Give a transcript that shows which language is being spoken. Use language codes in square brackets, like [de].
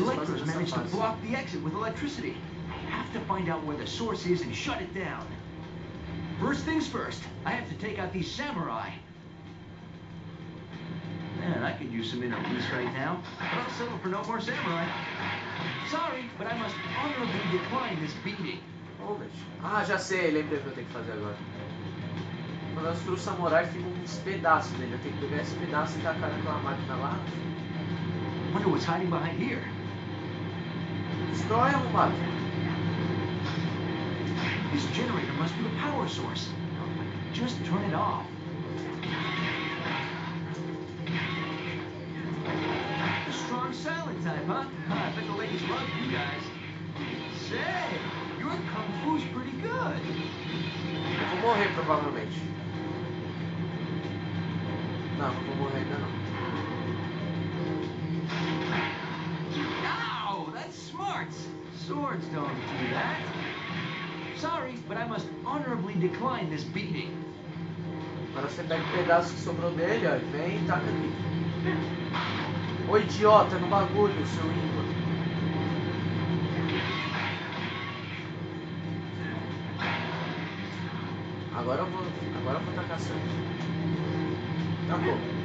[en] Electro's managed to block the exit with electricity. I have to find out where the source is and shut it down. First things first, I have to take out these samurai. Man, I could use some inner peace right now, but I'll settle for no more samurai. Sorry, but I must honorably decline this beating. Oh, bitch. [pt] Ah, já sei, lembrei o que eu tenho que fazer agora. Quando eu destruo o samurai, fica um pedaço dele. Eu tenho que pegar esse pedaço e tacar naquela máquina lá. [en] Wonder what's hiding behind here. [pt] Destrói uma máquina. [en] This generator must be the power source. Just turn it off. The strong silent type, huh? I bet the ladies love you guys. Say, your kung fu's pretty good. [pt] Vou morrer provavelmente. Não, não vou morrer ainda não. [en] Ow, that's smart. Swords don't do that. Sorry, but I must honorably decline this beating. [pt] Agora você pega o pedaço que sobrou dele, ó, e vem e taca aqui. Ô idiota, no bagulho, seu ímpar. Agora eu vou tacar sangue. Tá bom.